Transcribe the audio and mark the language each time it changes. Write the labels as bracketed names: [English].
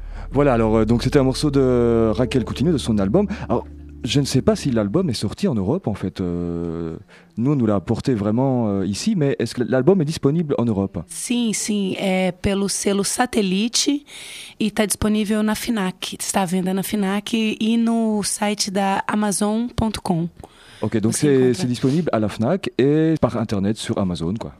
[French] Voilà, alors donc c'était un morceau de Raquel Coutinho, de son album. Alors, je ne sais pas si l'album est sorti en Europe, en fait. Nous, on nous l'a apporté vraiment ici, mais est-ce que l'album est disponible en Europe? [Portuguese] Si, si, pelo selo Satellite, [French] et [Portuguese] está disponível na FNAC. Está à venda na FNAC e no site da Amazon.com. [French] Ok, donc c'est disponible à la FNAC et par Internet sur Amazon, quoi.